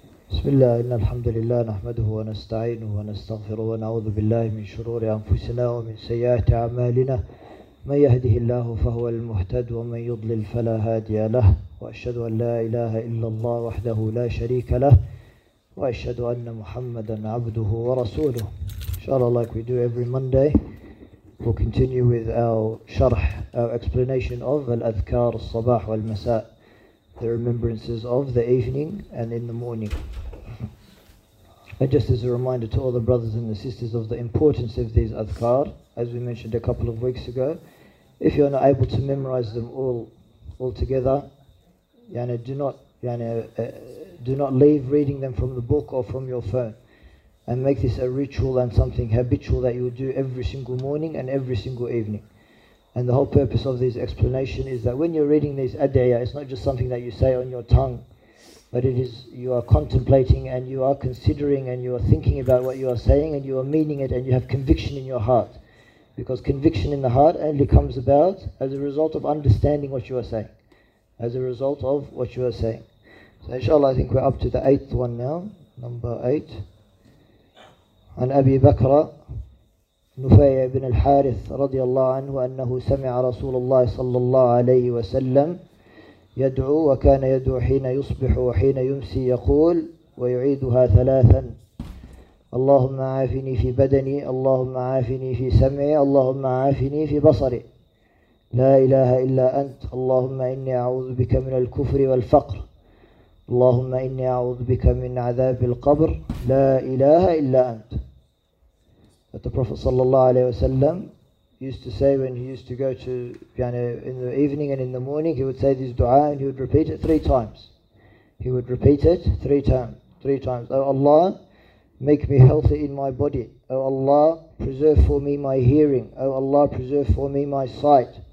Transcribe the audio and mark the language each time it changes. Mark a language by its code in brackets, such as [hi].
[ar] بسم الله إن الحمد لله نحمده ونستعينه ونستغفره ونعوذ بالله من شرور أنفسنا ومن سيئات أعمالنا من يهده الله فهو المهتد ومن يضلل فلا هادي له وأشهد أن لا إله إلا الله وحده لا شريك له وأشهد أن محمدا عبده ورسوله إن شاء الله [en] like we do every Monday we'll continue with our [ar] شرح [en] our explanation of [ar] الأذكار الصباح والمساء [en] the remembrances of the evening and in the morning. And just as a reminder to all the brothers and the sisters of the importance of these adhkar, as we mentioned a couple of weeks ago, if you're not able to memorize them all together, do not leave reading them from the book or from your phone. And make this a ritual and something habitual that you do every single morning and every single evening. And the whole purpose of this explanation is that when you're reading these adaya, it's not just something that you say on your tongue, but it is you are contemplating and you are considering and you are thinking about what you are saying and you are meaning it and you have conviction in your heart. Because conviction in the heart only comes about as a result of understanding what you are saying. As a result of what you are saying. So inshallah, I think we're up to the eighth one now, number eight. An Abi Bakr. [ar] نفيع بن الحارث رضي الله عنه أنه سمع رسول الله صلى الله عليه وسلم يدعو وكان يدعو حين يصبح وحين يمسي يقول ويعيدها ثلاثا اللهم عافني في بدني اللهم عافني في سمعي اللهم عافني في بصري لا إله إلا أنت اللهم إني أعوذ بك من الكفر والفقر اللهم إني أعوذ بك من عذاب القبر لا إله إلا أنت. [en] That the Prophet sallallahu alaihi wasallam used to say when he used to go to in the evening and in the morning, he would say this dua and he would repeat it three times. He would repeat it three times. Oh Allah, make me healthy in my body. Oh Allah, preserve for me my hearing. Oh Allah, preserve for me my sight.